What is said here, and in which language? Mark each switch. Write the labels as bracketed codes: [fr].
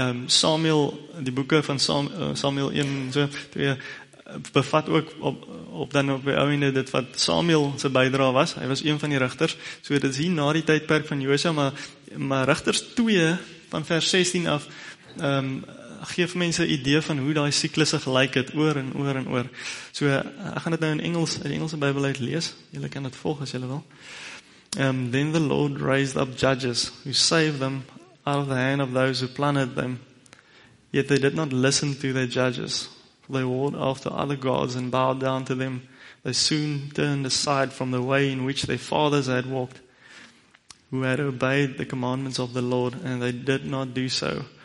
[af] Samuel, die boeke van Samuel 1 en so 2 bevat ook op dan op die ouwende dit wat Samuel sy bydra was. Hy was een van die rechters. So dit is hier na die tydperk van Josia, maar Rechters 2 van vers 16 af geef mense idee van hoe die syklusse gelyk het, oor en oor en oor. So, ek gaan dit nou in Engels, die Engelse Bybel uit lees, julle kan dit volg as julle wil. [en] Then the Lord raised up judges, who saved them out of the hand of those who planted them. Yet they did not listen to their judges. They walked after other gods and bowed down to them. They soon turned aside from the way in which their fathers had walked, who had obeyed the commandments of the Lord, and they did not do so.